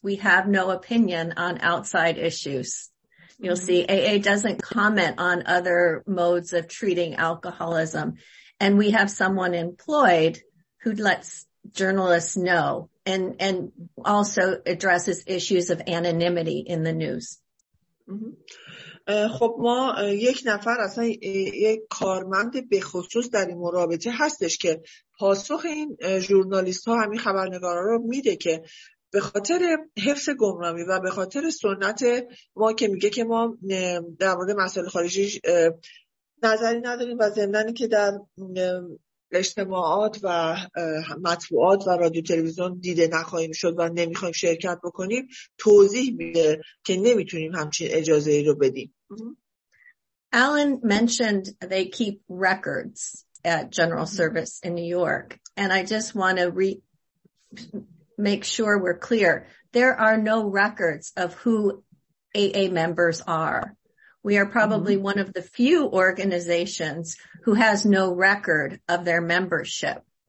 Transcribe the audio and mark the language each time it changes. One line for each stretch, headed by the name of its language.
English: We have no opinion on outside issues. You'll see AA doesn't comment on other modes of treating alcoholism. And we have someone employed who lets journalists know and also addresses issues of anonymity in the news.
Persian: خب ما یک نفر اصلا یک کارمند به خصوص در این رابطه هستش که پاسخ این ژورنالیست ها همین خبرنگارا رو میده که به خاطر حفظ گمنامی و به خاطر سنت ما که میگه که ما در مورد مسائل خارجی نظری نداریم و زمینه‌ای که در اجتماعات و مطبوعات و رادیو تلویزیون دیده نخواهیم شد و نمیخوایم شرکت بکنیم توضیح میده که نمیتونیم همچین اجازه ای رو بدیم.
English: Alan mentioned they keep records at General Service in New York, and I just want to make sure we're clear. There are no records of who AA members are. We are probably one of the few organizations who has no record of their membership.